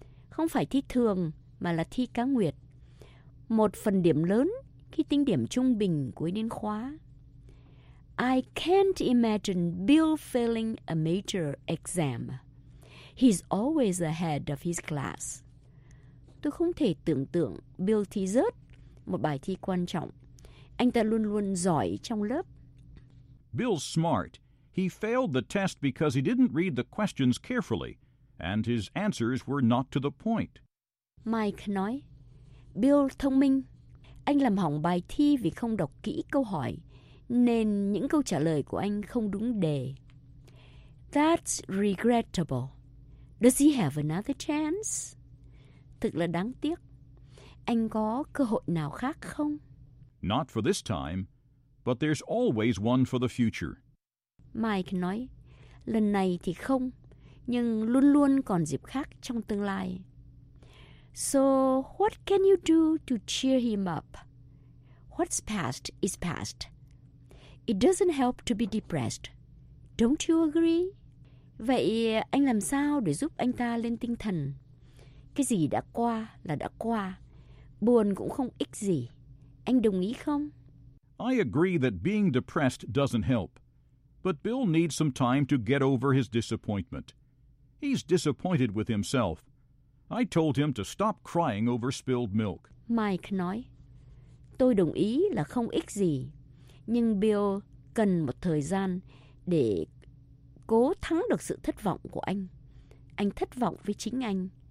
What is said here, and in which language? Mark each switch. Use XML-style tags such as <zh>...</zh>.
<vi>Không phải thi thường, mà là thi cá nguyệt. Một phần điểm lớn khi tính điểm trung bình cuối niên khóa.</vi> <en>I can't imagine Bill failing a major exam. He's always ahead of his class.</en> <vi>Tôi không thể tưởng tượng Bill thi rớt một bài thi quan trọng. Anh ta luôn luôn giỏi trong lớp.</vi> <en>Bill's smart. He failed the test because he didn't read the questions carefully, and his answers were not to the point.</en> <vi>Mike nói, Bill thông minh. Anh làm hỏng bài thi vì không đọc kỹ câu hỏi, nên những câu trả lời của anh không đúng đề.</vi> <en>That's regrettable. Does he have another chance?</en> <vi>Thực là đáng tiếc. Anh có cơ hội nào khác không?</vi> <en>Not for this time, but there's always one for the future.</en> <vi>Mike nói, lần này thì không, nhưng luôn luôn còn dịp khác trong tương lai.</vi> <en>So, what can you do to cheer him up? What's past is past. It doesn't help to be depressed. Don't you agree?</en> <vi>Vậy anh làm sao để giúp anh ta lên tinh thần? Cái gì đã qua là đã qua. Buồn cũng không ích gì. Anh đồng ý không?</vi> <en>I agree that being depressed doesn't help. But Bill needs some time to get over his disappointment. He's disappointed with himself. I told him to stop crying over spilled milk.</en> <vi>Mike nói, tôi đồng ý là không ích gì, nhưng Bill cần một thời gian để cố thắng được sự thất vọng của anh. Anh thất vọng với chính anh.</vi>